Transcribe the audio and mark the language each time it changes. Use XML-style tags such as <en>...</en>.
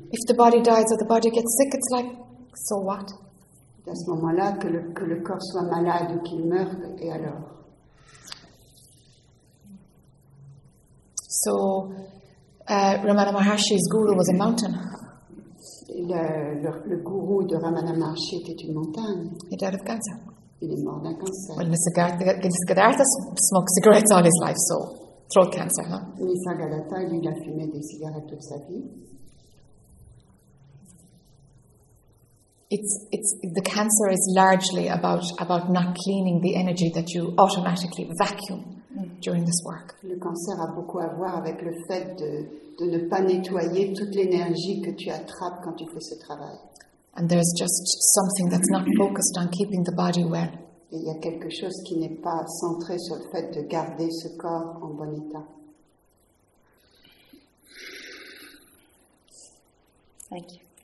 <en>If the body dies or the body gets sick, it's like so what?</en> <fr>À ce moment-là, que le corps soit malade ou qu'il meure, et alors?</fr> <en>So, Ramana Maharshi's guru was a mountain.</en> <fr>Le gourou de Ramana Maharshi était une montagne.</fr> <en>He died of cancer.</en> <fr>Il est mort d'un cancer.</fr> <en>Well, Nisargadatta smoked cigarettes all his life, so throat cancer, huh?</en> <fr>Nisargadatta, lui, il a fumé des cigarettes toute sa vie.</fr> <en>It's the cancer is largely about not cleaning the energy that you automatically vacuum during this work.</en> <fr>Le cancer a beaucoup à voir avec le fait de ne pas nettoyer toute l'énergie que tu attrapes quand tu fais ce travail.</fr> <en>And there's just something that's not focused on keeping the body well.</en> <fr>Et il y a quelque chose qui n'est pas centré sur le fait de garder ce corps en bon état.</fr> <en>Thank you.</en>